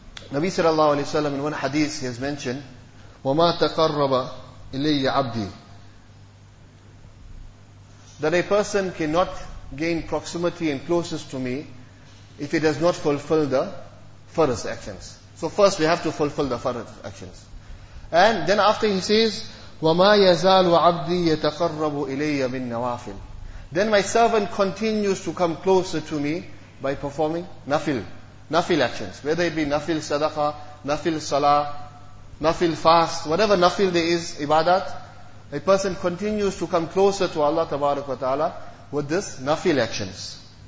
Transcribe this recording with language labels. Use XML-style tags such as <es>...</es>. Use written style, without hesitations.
<en>Nabi sallallahu alayhi wa sallam, in one hadith he has mentioned,</en> <ar>wama taqarraba ilayya 'abdi,</ar> <en>that a person cannot gain proximity and closeness to me if he does not fulfill the farz actions. So first we have to fulfill the farz actions. And then after he says,</en> <ar>وَمَا يَزَالُ عَبْدِي يَتَقَرَّبُ إِلَيَّ مِن نَوَافِلٍ,</ar> <en>Then my servant continues to come closer to me by performing nafil. Nafil actions. Whether it be nafil sadaqah, nafil salah, nafil fast, whatever nafil there is, ibadat, a person continues to come closer to Allah tabarak wa ta'ala with this nafil actions.</en>